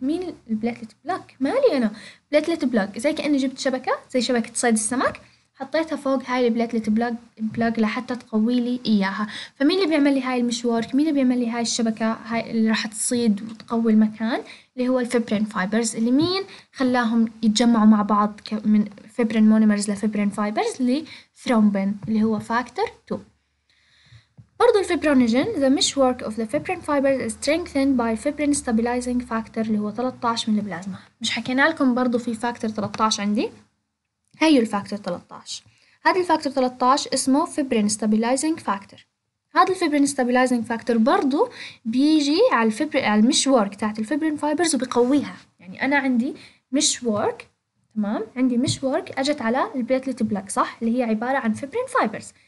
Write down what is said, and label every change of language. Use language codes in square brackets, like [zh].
[ar] مين البليتلت بلاج؟ مالي انا بليتلت بلاج، زي كاني جبت شبكه، زي شبكه صيد السمك، حطيتها فوق هاي البليتلت بلاج لحتى تقوي لي اياها. فمين اللي بيعمل لي هاي المش وورك؟ مين اللي بيعمل لي هاي الشبكه هاي اللي راح تصيد وتقوي المكان؟ اللي هو الفيبرين فايبرز، اللي مين خلاهم يتجمعوا مع بعض من فيبرين مونومرز لفيبرين فايبرز لثرومبين اللي هو فاكتور 2. برضو الفيبرونوجين [en] the meshwork of the fibrin fibers is strengthened by fibrin stabilizing factor [ar] اللي هو 13 من البلازما. مش حكينا لكم برضو في فاكتور 13 عندي؟ هيو الفاكتور 13، هذا الفاكتور 13 اسمه fibrin stabilizing factor. هذا الفيبرين ستابيلايزنج فاكتور برضو بيجي على الفيبرين، على المش وورك تاعت الفيبرين فايبرز وبيقويها. يعني انا عندي مش وورك، تمام، عندي مش وورك اجت على البليتلت بلاك، صح، اللي هي عباره عن فيبرين فايبرز